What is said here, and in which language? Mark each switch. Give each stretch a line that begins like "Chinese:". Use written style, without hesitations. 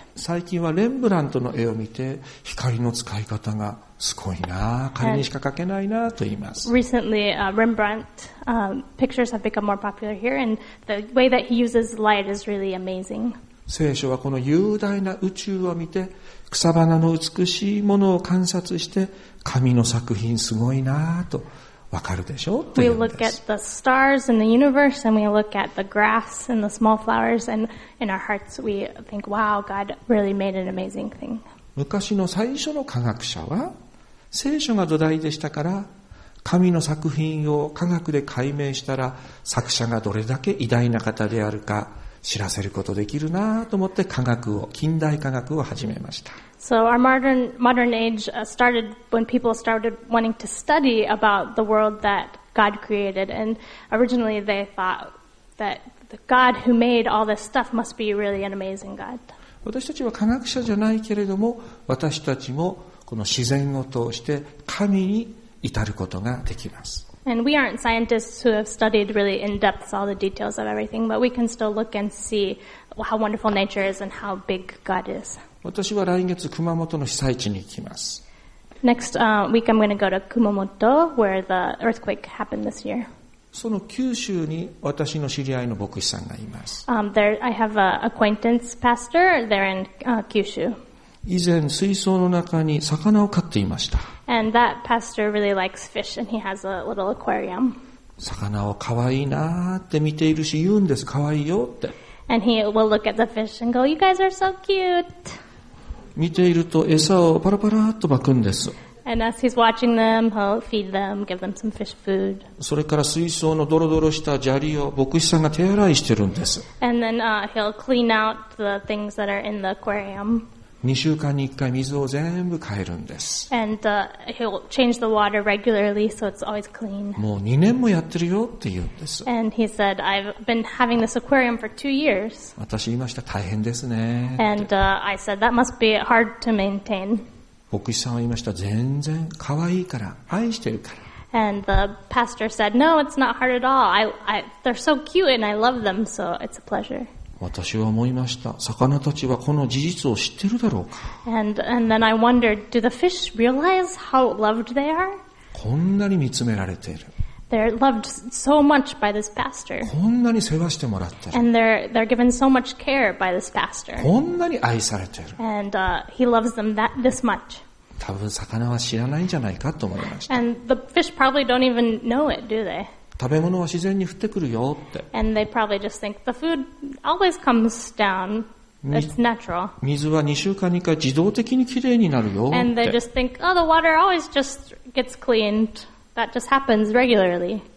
Japanese: 最近はレンブラントの絵を見て、光の使い方がすごいなあ、彼にしか描けないなあと言います。
English: Recently, Rembrandt, pictures have become more popular here, and the way that he uses light is really amazing.
Japanese: 聖書はこの雄大な宇宙を見て、草花の美しいものを観察して、神の作品すごいなあと分かるでしょうと言うんです。
English: We look at the stars in the universe, and we look at the grass and the small flowers, and in our hearts we think, wow, God really made an amazing thing.
Japanese: 昔の最初の科学者は聖書が土台でしたから、神の作品を科学で解明したら作者がどれだけ偉大な方であるか知らせることできるなと思って科学を、近代科学を始めました。
English: So our modern age started when people started wanting to study about the world that God created, and originally they thought that the God who made all this stuff must be really an amazing God.
Japanese: 私たちは科学者じゃないけれども、私たちもこの自然を通して神に至ることができます。
English: And we aren't scientists who have studied really in depth all the details of everything, but we can still look and see how wonderful nature is and how big God is.
Japanese: 私は来月熊本の被災地に行きます。
English: Next, week I'm going to go to Kumamoto where the earthquake happened this year.
Japanese: その九州に私の知り合いの牧師さんがいます。
English: I have an acquaintance pastor there in, 九州。
Japanese: 以前水槽の中に魚を飼っていました。
English: And that pastor really likes fish and he has a little aquarium.
Japanese: 魚を可愛いなって見ているし言うんです、可愛いよって。
English: And he will look at the fish and go, you guys are so cute.
Japanese: 見ていると餌をパラパラっと撒くんです。
English: And as he's watching them, he'll feed them, give them some fish food.
Japanese: それから水槽のドロドロした砂利を牧師さんが手洗いしてるんです。
English: And then, he'll clean out the things that are in the aquarium.
Japanese: 2週間に1回水を全部変えるんです。
English: And, he'll change the water regularly so it's always clean.
Japanese: もう2年もやってるよって言うんです。
English: And he said, I've been having this aquarium for 2 years.
Japanese: 私言いました、大変ですね。
English: And, I said, that must be hard to maintain.
Japanese: 牧師さんは言いました。全然可愛いから、愛してるから。
English: And the pastor said, "No, it's not hard at all. They're so cute and I love them, so it's a pleasure."
Japanese: 私は思いました。魚たちはこの事実を知ってるだろうか。
English: And then I wondered, do the fish realize how loved they are?
Japanese: こんなに見つめられている。
English: They're loved so much by this pastor.
Japanese: こんなに世話してもらってる。
English: And they're given so much care by this pastor.
Japanese: こんなに愛されてる。
English: And, he loves them this much.
Japanese: 多分魚は知らないんじゃないかと思いました。
English: And the fish probably don't even know it, do they?
Japanese: 食べ物は自然に降ってくるよって。
English: And they probably just think the food always comes down It's natural.
Japanese: 水は2週間に1回自動的にきれいになるよって。
English: And they just think, oh, the water always just gets cleaned. That just happens regularly.